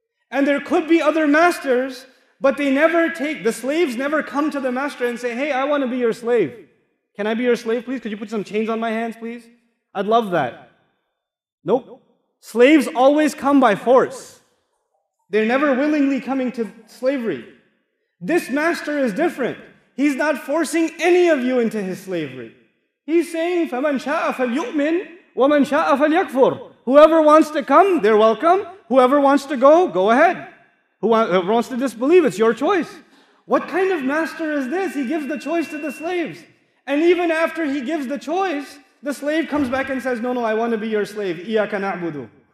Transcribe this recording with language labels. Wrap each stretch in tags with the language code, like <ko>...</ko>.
<en>And there could be other Masters, but they never take, the slaves never come to the Master and say, "Hey, I want to be your slave. Can I be your slave, please? Could you put some chains on my hands, please? I'd love that." Nope. Slaves always come by force. They're never willingly coming to slavery. This Master is different. He's not forcing any of you into His slavery. He's saying,</en> <ar>"فَمَنْ شَاءَ فَلْيُؤْمِنْ وَمَنْ شَاءَ فَلْيَكْفُرْ."</ar> <en>Whoever wants to come, they're welcome. Whoever wants to go, go ahead. Whoever wants to disbelieve, it's your choice. What kind of Master is this? He gives the choice to the slaves. And even after He gives the choice, the slave comes back and says, "No, I want to be your slave.</en> <ar>إِيَّاكَ نَعْبُدُ."</ar>